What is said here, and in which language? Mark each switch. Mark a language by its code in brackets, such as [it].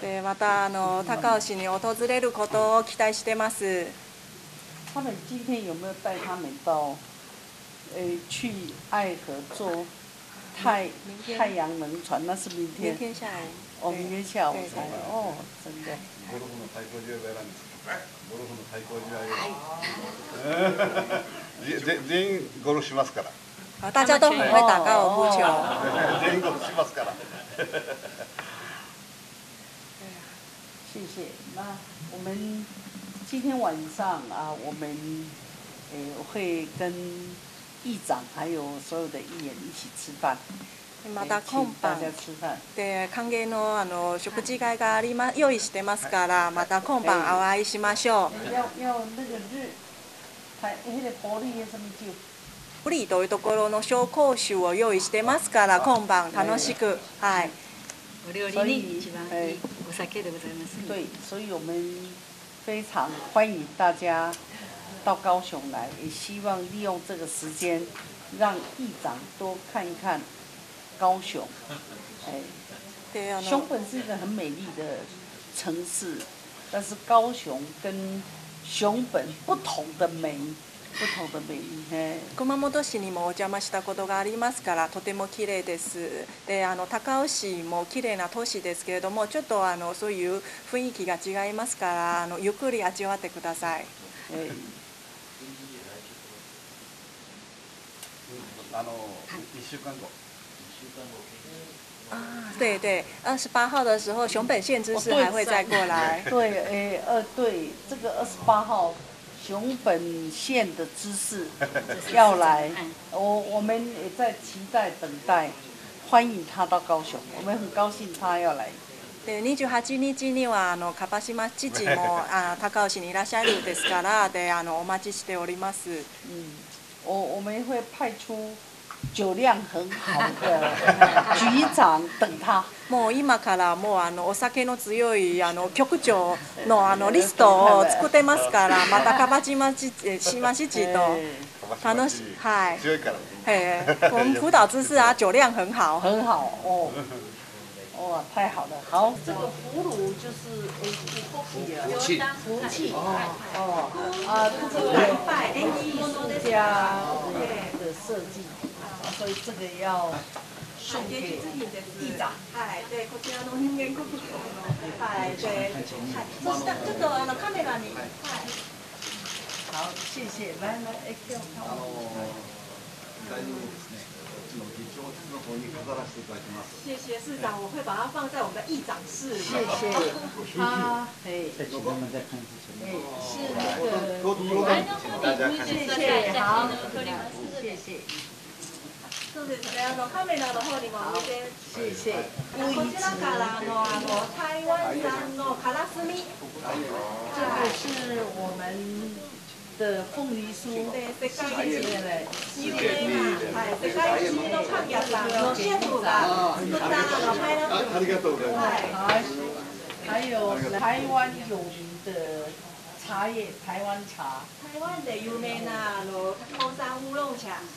[ja] でまたあの高尾市に訪れることを期待してます。 [zh] 他们今天有没有带他们到，去爱河做太阳能船？那是明天。明天下午。哦，明天下午才哦，真的。 [ja] ゴルフの最高級ベランです。ゴルフの最高級ベラン。全員ゴルフしますから。 [zh] 大家都很会打高尔夫球。 [ja] 全員ゴルフしますから。 [zh] 谢谢。那我们。今天晚上啊，我们会跟议长还有所有的议员一起吃饭。 [ja] また今晩 [zh] 大家吃饭。 [ja] で、歓迎のあの食事会があります、用意してますから、また今晩お会いしましょう。 [zh] 要那个日，台那个玻璃什么酒。 [ja] 玻璃というところの紹興酒を用意してますから、今晩楽しく、はい。お料理に一番いいお酒でございます。 [zh] 对，所以我们。非常欢迎大家到高雄来，也希望利用这个时间让议长多看一看高雄。对啊，熊本是一个很美丽的城市，但是高雄跟熊本不同的美，不同的美丽。 [ja] 熊本市にもお邪魔したことがありますから、とても綺麗です。で、あの高雄市も綺麗な都市ですけれども、ちょっとあのそういう雰囲気が違いますから、あのゆっくり味わってください。あの一週間後。 [zh] 啊，对对，二十八号的时候，熊本县知事还会再过来。对，对，这个二十八号。熊本县的知事要来，我们也在期待等待，欢迎他到高雄，我们很高兴他要来。 [ja] で、二十八日にはあの樺島知事もあ高雄市にいらっしゃるですから、で、あのお待ちしております。 [zh] 嗯，我们会派出酒量很好的局长等他。 [ja] もう今からもうあのお酒の強いあの局長 の、 あのリストを作ってますから、また樺島知事と楽しい、はい、強いから、はい、 [zh] 我们辅导知事啊酒量很好很好哦，哇太好了。好，这个俘虏就是福气啊，这个拜恩义书家的设计，所以这个要送给议长。 [ja] 哎，对，こちらの人間国宝の、哎，对，そしたらちょっとあのカメラに、 [zh] 好，谢谢，来来，哎， [ja] 今日は、大丈夫ですね。こっちの議長室の方に飾らせていただきます。 [zh] 谢谢市长，我会把它放在我们的议长室。谢谢。啊，哎，在这边再看一下。是那个，多多多，大家看一下。谢谢，好，谢谢。 [ja] そうですね、あのカメラの方にもお見せ。こちらからあの台湾産のからすみ。 [zh] 这个是我们的凤梨酥。世界一流的，世界一流的，世界一流的 [ja] パン屋さんのシェフが作ったあのパイナップル。ありがとうございます。 [zh] 还有台湾有名的茶叶，台湾茶。台湾的 [ja] 有名なあの高山乌龙茶。